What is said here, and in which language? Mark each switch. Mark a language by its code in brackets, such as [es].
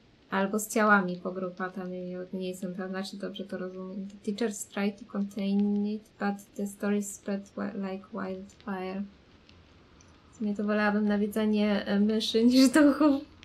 [pl] Albo z ciałami pogruchotanymi, nie jestem pewna, czy dobrze to rozumiem. [en] The teachers tried to contain it, but the story spread like wildfire. [pl] W sumie to wolałabym nawiedzenie myszy niż duchów.